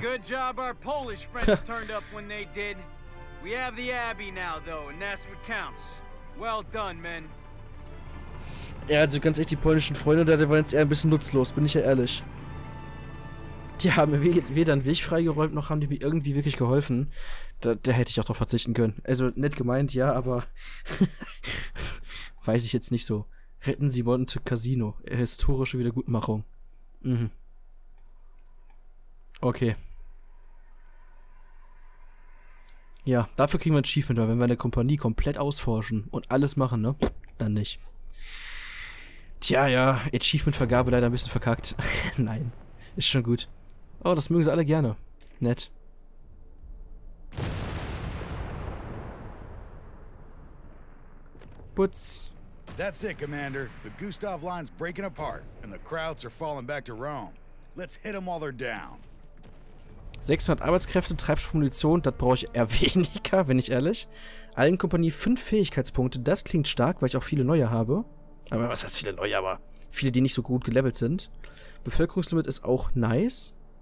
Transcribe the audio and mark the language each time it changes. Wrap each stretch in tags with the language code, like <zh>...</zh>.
<en>Good job our Polish friends turned up when they did. We have the Abbey now though, and that's what counts. Well done, men.</en> <de>Ja, also ganz echt, die polnischen Freunde, da waren jetzt eher ein bisschen nutzlos, bin ich ja ehrlich. Die haben mir weder einen Weg freigeräumt, noch haben die mir irgendwie wirklich geholfen. Da hätte ich auch drauf verzichten können. Also nett gemeint, ja, aber weiß ich jetzt nicht so. Retten Sie Monte Cassino. Historische Wiedergutmachung. Mhm. Okay. Ja, dafür kriegen wir ein Achievement, weil wenn wir eine Kompanie komplett ausforschen und alles machen, ne? Dann nicht. Tja, ja, Achievement-Vergabe leider ein bisschen verkackt. Nein, ist schon gut. Oh, das mögen sie alle gerne. Nett. Putz.</de> <en>That's it, Commander. The Gustav line's breaking apart and the Krauts are falling back to Rome. Let's hit them while they're down.</en> <de>600 Arbeitskräfte, Treibstoffmunition, das brauche ich eher weniger, wenn ich ehrlich. Allen Kompanie 5 Fähigkeitspunkte, das klingt stark, weil ich auch viele neue habe. Aber was heißt viele neue, aber viele, die nicht so gut gelevelt sind. Bevölkerungslimit ist auch nice.</de>